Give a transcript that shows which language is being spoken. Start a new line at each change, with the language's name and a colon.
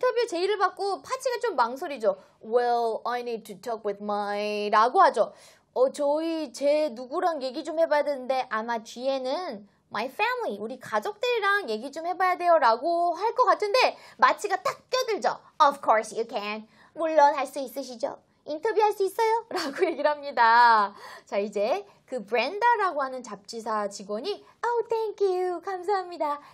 Korean: J를 받고 파츠가 좀 망설이죠.
English: Well, I need to talk with my
Korean: 라고 하죠. 저희 제 누구랑 얘기 좀 해봐야 되는데 아마 뒤에는
English: my family,
Korean: 우리 가족들이랑 얘기 좀 해봐야 돼요 라고 할 것 같은데 마치가 딱 껴들죠.
English: Of course you can.
Korean: 물론 할 수 있으시죠. 인터뷰할 수 있어요? 라고 얘기를 합니다. 자, 이제 그 브랜다라고 하는 잡지사 직원이
English: Oh, thank you.
Korean: 감사합니다.